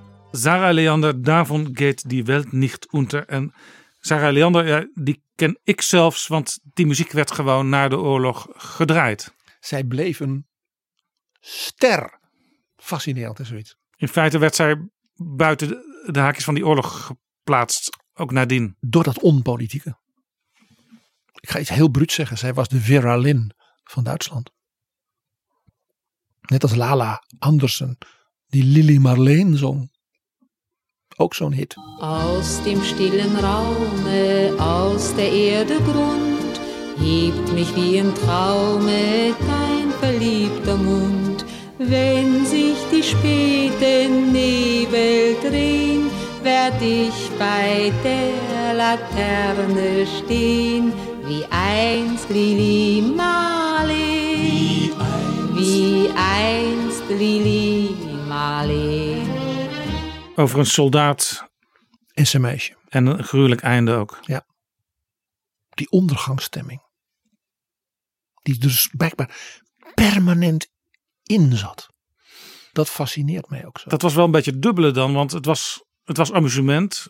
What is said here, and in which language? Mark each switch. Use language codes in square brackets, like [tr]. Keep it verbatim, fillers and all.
[de] Zara Leander, daarvan geht die Welt nicht unter. [nl] En Zara Leander, ja, die ken ik zelfs, want die muziek werd gewoon na de oorlog gedraaid. Zij bleef een ster. Fascinerend en zoiets. In feite werd zij buiten de, de haakjes van die oorlog geplaatst, ook nadien. Door dat onpolitieke. Ik ga iets heel bruuts zeggen. Zij was de Vera Lynn van Duitsland. Net als Lala Andersen, die Lili Marleen zong. Ook zo'n hit. [de] Aus dem stillen Raume, aus der Erde Grund, hebt mich wie im Traume dein verliebter Mund. Wenn sich die späten Nebel drehn, werd ich bei der Laterne stehn, wie einst Lili Marleen, wie einst Lili Marleen. [nl] Over een soldaat en zijn meisje. En een gruwelijk einde ook. Ja. Die ondergangsstemming. Die dus blijkbaar permanent in zat. Dat fascineert mij ook zo. Dat was wel een beetje dubbele dan. Want het was, het was amusement.